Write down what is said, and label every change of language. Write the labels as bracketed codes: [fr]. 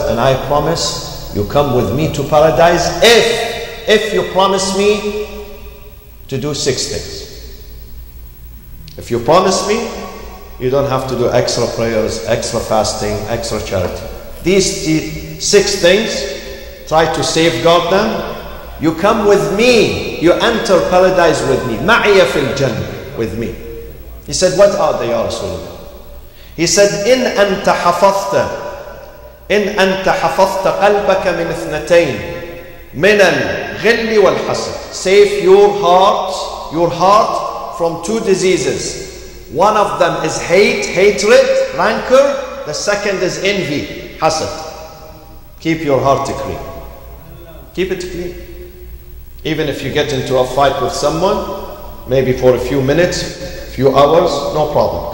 [en] And I promise you come with me to paradise if you promise me to do 6 things. If you promise me, you don't have to do extra prayers, extra fasting, extra charity. These 6 things, try to safeguard them. You come with me, you enter paradise with me. [ar] مَعِيَ فِي الْجَنَّةِ [en] with me. He said, what are they, Ya Rasulullah? [ar] He said, إِنْ أَنْتَ حَفَظْتَ إِنْ أَنْتَ حَفَظْتَ قَلْبَكَ مِنْ اثْنَتَيْنِ مِنَ الْغِلِّ وَالْحَسَدِ [en] Save your heart from 2 diseases, One of them is hate, hatred, rancor. The second is envy, hasad. Keep your heart clean. Keep it clean. Even if you get into a fight with someone, maybe for a few minutes, few hours, no problem.